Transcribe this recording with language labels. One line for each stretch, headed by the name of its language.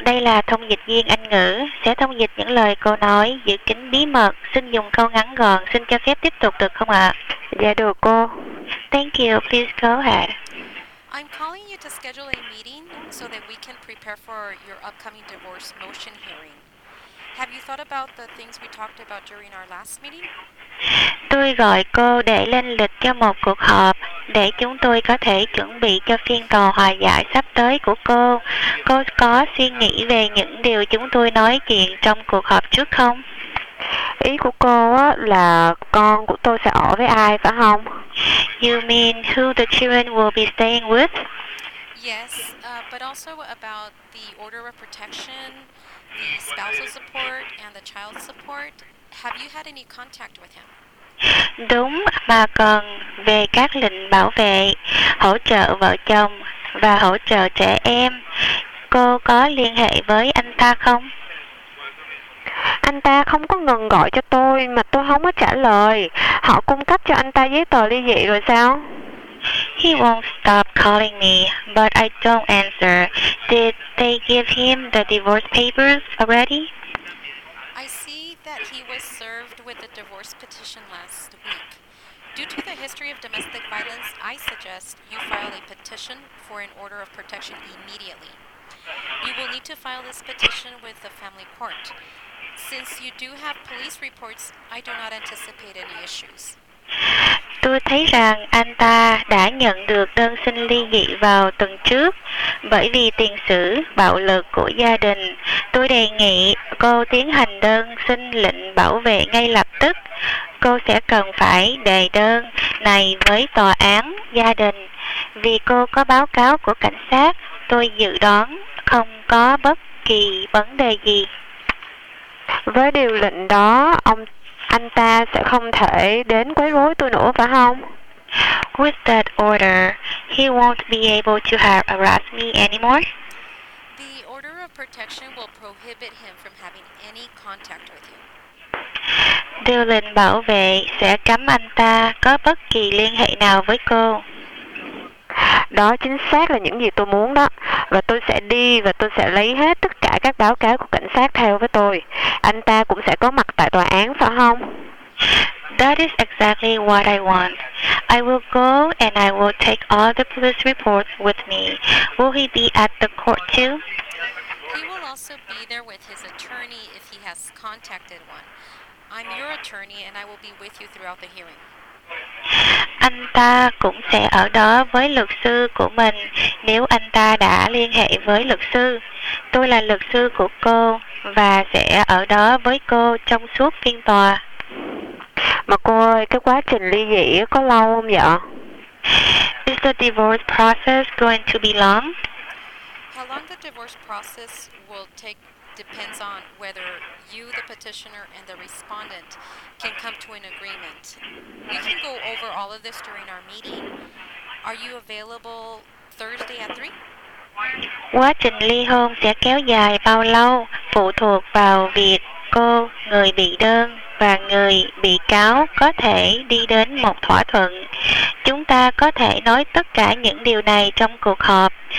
Vietnamese: Đây là thông dịch viên Anh ngữ. Sẽ thông dịch những lời cô nói, giữ kín bí mật. Xin dùng câu ngắn gọn. Xin cho phép tiếp tục được không ạ? Dạ, được cô.
English: Thank you. Please go ahead. I'm calling you to schedule a meeting so that we can prepare for your upcoming divorce motion hearing. Have you thought about the things we talked about during our last meeting?
Vietnamese: Tôi gọi cô để lên lịch cho một cuộc họp để chúng tôi có thể chuẩn bị cho phiên tòa hòa giải sắp tới của cô. Cô có suy nghĩ về những điều chúng tôi nói chuyện trong cuộc họp trước không? Ý của cô á là con của tôi sẽ ở với ai phải không?
English: You mean who the children will be staying with? Yes, but also about the order of protection, the spousal support and the child support. Have you had any contact with him?
Vietnamese: Đúng, mà còn về các lệnh bảo vệ, hỗ trợ vợ chồng và hỗ trợ trẻ em. Cô có liên hệ với anh ta không? Anh ta không có ngừng gọi cho tôi mà tôi không có trả lời. Họ cung cấp cho anh ta giấy tờ ly dị rồi sao?
English: He won't stop calling me, but I don't answer. Did they give him the divorce papers already? That he was served with a divorce petition last week. Due to the history of domestic violence, I suggest you file a petition for an order of protection immediately. You will need to file this petition with the family court. Since you do have police reports, I do not anticipate any issues.
Vietnamese: Tôi thấy rằng anh ta đã nhận được đơn xin ly dị vào tuần trước bởi vì tiền sử bạo lực của gia đình. Tôi đề nghị cô tiến hành đơn xin lệnh bảo vệ ngay lập tức. Cô sẽ cần phải đề đơn này với tòa án gia đình. Vì cô có báo cáo của cảnh sát, tôi dự đoán không có bất kỳ vấn đề gì. Với điều lệnh đó, anh ta sẽ không thể đến quấy rối tôi nữa phải không?
English: With that order, he won't be able to harass me anymore. The order of protection will prohibit him from having any contact with you.
Vietnamese: Điều lệnh bảo vệ sẽ cấm anh ta có bất kỳ liên hệ nào với cô. Đó chính xác là những gì tôi muốn đó. Và tôi sẽ đi và tôi sẽ lấy hết tất cả các báo cáo của cảnh sát theo với tôi. Anh ta cũng sẽ có mặt tại tòa án phải không?
English: That is exactly what I want. I will go and I will take all the police reports with me. Will he be at the court too? He will also be there with his attorney if he has contacted one. I'm your attorney and I will be with you throughout the hearing.
Vietnamese: Anh ta cũng sẽ ở đó với luật sư của mình nếu anh ta đã liên hệ với luật sư. Tôi là luật sư của cô và sẽ ở đó với cô trong suốt phiên tòa. Mà cô ơi, cái quá trình ly dị có lâu không vậy?
English: Is the divorce process going to be long? How long the divorce process will take depends on whether you, the petitioner, and the respondent can come to an agreement. We can go over all of this during our meeting. Are you available Thursday at 3?
Vietnamese: Quá trình ly hôn sẽ kéo dài bao lâu phụ thuộc vào việc cô, người bị đơn và người bị cáo có thể đi đến một thỏa thuận. Chúng ta có thể nói tất cả những điều này trong cuộc họp.